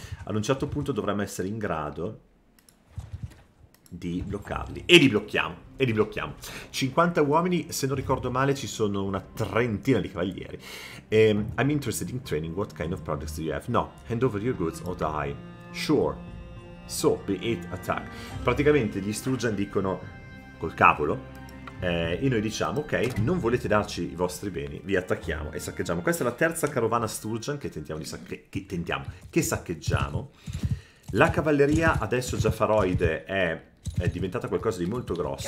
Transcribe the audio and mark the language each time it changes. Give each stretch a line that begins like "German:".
Italian: Ad un certo punto dovremmo essere in grado di bloccarli. E li blocchiamo, e li blocchiamo. 50 uomini, se non ricordo male, ci sono una trentina di cavalieri.
English: I'm interested in training. What kind of products do you have? No, hand over your goods or die. Sure. So, be it attack.
Italian: Praticamente gli Strugian dicono col cavolo, e noi diciamo, ok, non volete darci i vostri beni, vi attacchiamo e saccheggiamo. Questa è la terza carovana Strugian che tentiamo di sacche che tentiamo, che saccheggiamo. La cavalleria adesso Jaffaroide è diventata qualcosa di molto grosso